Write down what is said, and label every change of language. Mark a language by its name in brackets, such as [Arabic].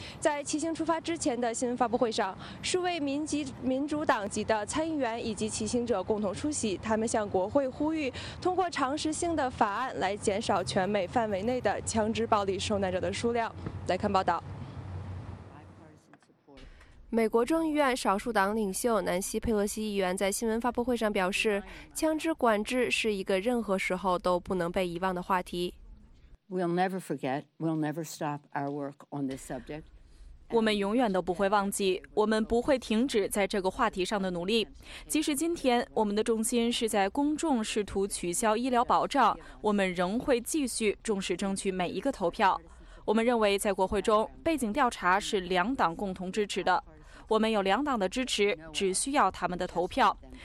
[Chinese] 在骑行出发之前的新闻发布会上，数位民主党籍的参议员以及骑行者共同出席，他们向国会呼吁通过常识性的法案来减少全美范围内的枪支暴力受难者的数量。来看报道。美国众议院少数党领袖南希·佩洛西议员在新闻发布会上表示，枪支管制是一个任何时候都不能被遗忘的话题。 [English] We'll never forget. We'll never stop our work on this subject. [Chinese] 我们永远都不会忘记，我们不会停止在这个话题上的努力。即使今天我们的重心是在公众试图取消医疗保障，我们仍会继续重视争取每一个投票。我们认为在国会中，背景调查是两党共同支持的。我们有两党的支持，只需要他们的投票。